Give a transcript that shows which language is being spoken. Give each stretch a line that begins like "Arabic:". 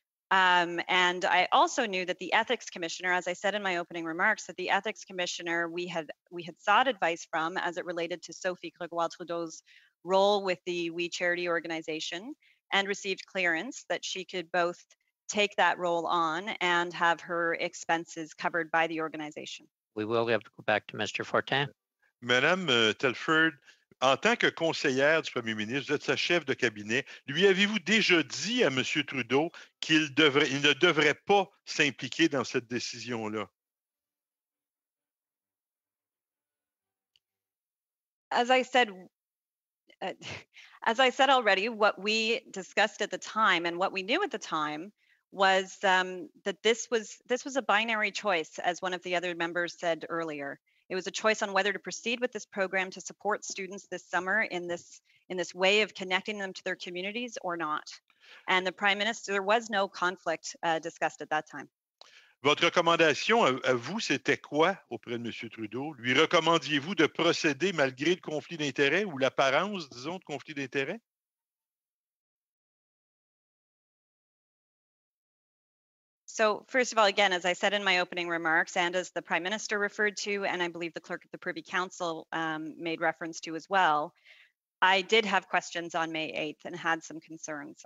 English: And I also knew that the ethics commissioner, as I said in my opening remarks, that the ethics commissioner we had sought advice from as it related to Sophie Grégoire Trudeau's role with the WE charity organization and received clearance that she could both take that role on and have her expenses covered by the organization. We will have to go back to Mr. Fortin.
French: Madame Telford. En tant que conseillère du premier ministre, vous êtes sa chef de cabinet, lui avez-vous déjà dit à M. Trudeau qu'il ne devrait pas s'impliquer dans cette décision-là?
English: As I said already, what we discussed at the time and what we knew at the time was that this was a binary choice, as one of the other members said earlier. It was a choice on whether to proceed with this program to support students this summer in this way of connecting them to their communities or not. And the Prime Minister, there was no conflict discussed at that time.
French: Votre recommandation à vous, c'était quoi auprès de M. Trudeau? Lui recommandiez-vous de procéder malgré le conflit d'intérêts ou l'apparence, disons, de conflit d'intérêts?
English: So first of all, again, as I said in my opening remarks and as the Prime Minister referred to, and I believe the Clerk of the Privy Council made reference to as well, I did have questions on May 8th and had some concerns.